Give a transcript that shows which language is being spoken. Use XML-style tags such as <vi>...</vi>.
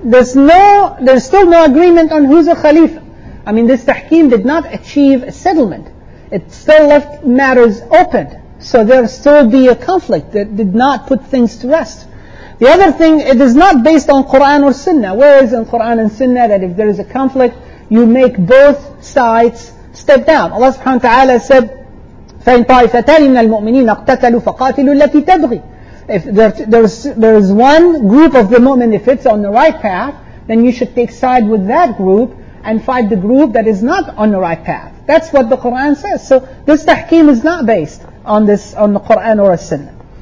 <en>There's still no agreement on who's a khalifa. I mean, this tahkim did not achieve a settlement. It still left matters open. So there still be a conflict that did not put things to rest. The other thing, it is not based on Qur'an or Sunnah. Where is in Qur'an and Sunnah that if there is a conflict, you make both sides step down? Allah subhanahu wa ta'ala said,</en> <ar>فَإِنْ طَائِفَتَانِ مِنَ الْمُؤْمِنِينَ اَقْتَتَلُوا فَقَاتِلُوا الَّتِي تَبْغِي.</ar> <en>If there is one group of the mu'min, if it's on the right path, then you should take side with that group and fight the group that is not on the right path. That's what the Qur'an says. So this tahkim is not based on the Qur'an or a Sunnah.</en>